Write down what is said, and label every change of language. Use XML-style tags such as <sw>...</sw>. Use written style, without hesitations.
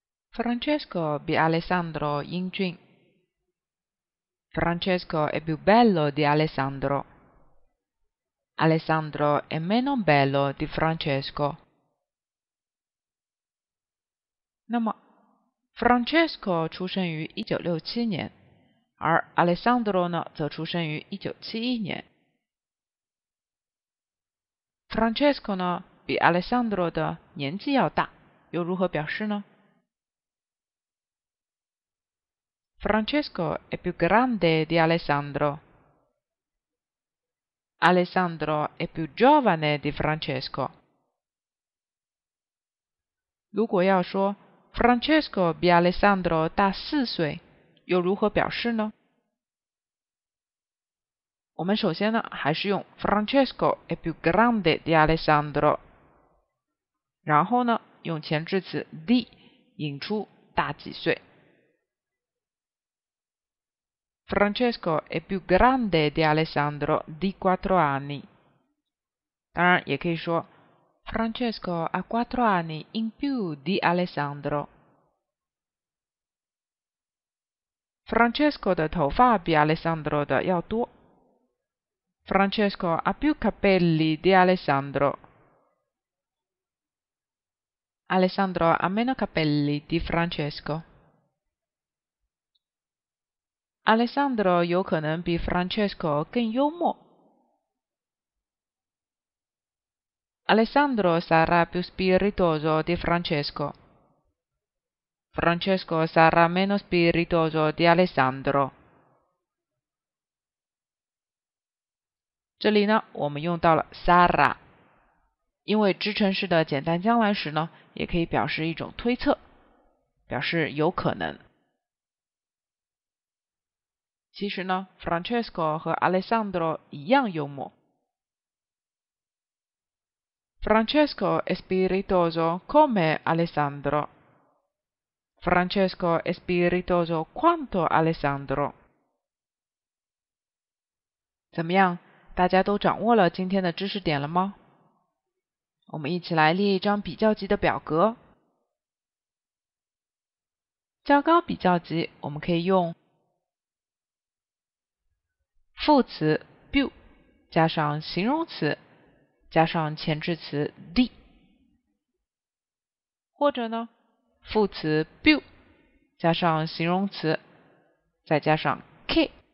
<zh>Francesco è Alessandro 英俊。</zh> <it>Francesco è più bello di Alessandro. Alessandro è meno bello di Francesco.</it> <zh>那么 Francesco 出生于1967年，而 Alessandro 呢，则出生于1971年。 Francesco 呢，比 Alessandro 的年纪要大，又如何表示呢？</zh> <it>Francesco è più grande di Alessandro. Alessandro è più giovane di Francesco.</it> <zh>如果要说 Francesco 比 Alessandro 大四岁，又如何表示呢？我们首先呢，还是用</zh> <it>Francesco è più grande di Alessandro，</it> <zh>然后呢，用前置词 di 引出大几岁。</zh> <it>Francesco è più grande di Alessandro di quattro anni.</it> <zh>当然也可以说</zh> <it>Francesco ha quattro anni in più di Alessandro.</it> <zh>Francesco 的头发比 Alessandro 的要多。</zh> <it>Francesco ha più capelli di Alessandro. Alessandro ha meno capelli di Francesco.</it> <zh>Alessandro 有可能比 Francesco 更幽默。</zh> <it>Alessandro sarà più spiritoso di Francesco. Francesco sarà meno spiritoso di Alessandro.</it> <zh>这里呢，我们用到了 sarà， 因为支撑式的简单将来时呢，也可以表示一种推测，表示有可能。其实呢 ，Francesco 和 Alessandro 一样幽默。</zh> <it>Francesco è spiritoso come Alessandro. Francesco è spiritoso quanto Alessandro.</it> <zh>怎么样？大家都掌握了今天的知识点了吗？我们一起来列一张比较级的表格。较高比较级，我们可以用副词 più 加上形容词加上前置词 di， 或者呢副词 più 加上形容词再加上 che。</zh>